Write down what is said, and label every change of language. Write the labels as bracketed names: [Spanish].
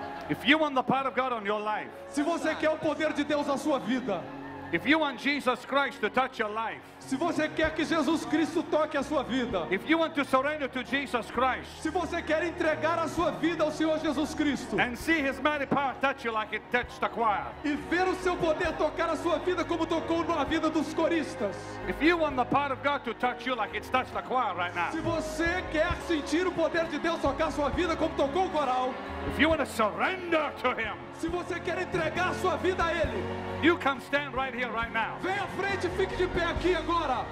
[English] If you want the power of God on your life. [Portuguese] Se você quer o poder de Deus na sua vida. [English] If you want Jesus Christ to touch your life. [Portuguese] Se você quer que Jesus Cristo toque a sua vida. [English] If you want to surrender to Jesus Christ. [Portuguese] Se você quer entregar a sua vida ao Senhor Jesus Cristo. [English] And see his mighty power touch you like it touched the choir. [Portuguese] E ver o seu poder tocar a sua vida como tocou na vida dos coristas. [English] If you want the power of God to touch you like it's touched the choir right now. [Portuguese] Se você quer sentir o poder de Deus tocar a sua vida como tocou o coral. [English] If you want to surrender to him. [Portuguese] Se você quer entregar a sua vida a ele. [English] You come stand right here right now. [Portuguese] Venha à frente, fique de pé aqui agora.